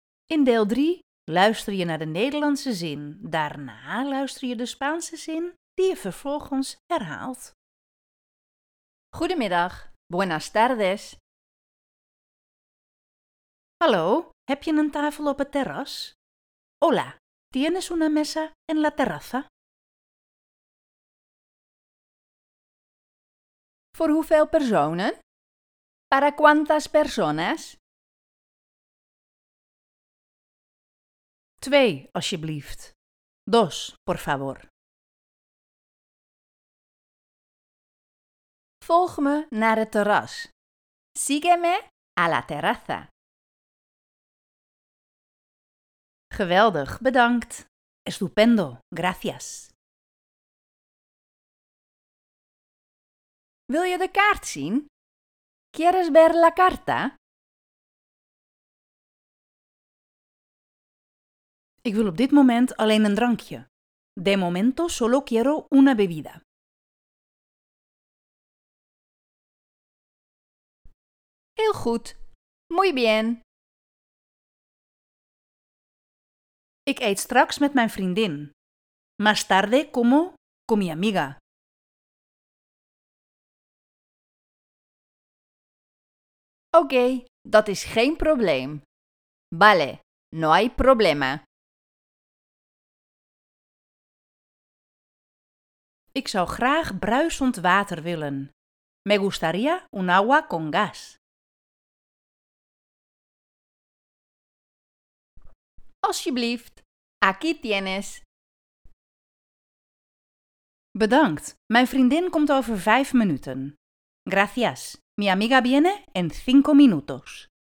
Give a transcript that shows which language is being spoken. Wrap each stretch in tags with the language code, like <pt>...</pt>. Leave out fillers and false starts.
<nl>In deel 3 luister je naar de Nederlandse zin. Daarna luister je de Spaanse zin die je vervolgens herhaalt. Goedemiddag.</nl> <es>Buenas tardes.</es> <nl>Hallo, heb je een tafel op het terras?</nl> <es>Hola, ¿tienes una mesa en la terraza?</es> <nl>Voor hoeveel personen?</nl> <es>Para cuántas personas? 2,</es> <nl>alsjeblieft.</nl> <es>2, por favor.</es> <nl>Volg me naar het terras.</nl> <es>Sígueme a la terraza.</es> <nl>Geweldig, bedankt.</nl> <es>Estupendo, gracias.</es> <nl>Wil je de kaart zien?</nl> <es>¿Quieres ver la carta?</es> <nl>Ik wil op dit moment alleen een drankje.</nl> <es>De momento solo quiero una bebida.</es> <nl>Heel goed.</nl> <es>Muy bien.</es> <nl>Ik eet straks met mijn vriendin.</nl> <es>Más tarde como con mi amiga.</es> <nl>Oké, dat is geen probleem.</nl> <es>Vale, no hay problema.</es> <nl>Ik zou graag bruisend water willen.</nl> <es>Me gustaría un agua con gas.</es> <nl>Alsjeblieft,</nl> <es>aquí tienes.</es> <nl>Bedankt, mijn vriendin komt over 5 minuten.</nl> <es>Gracias. Mi amiga viene en 5 minutos.</es>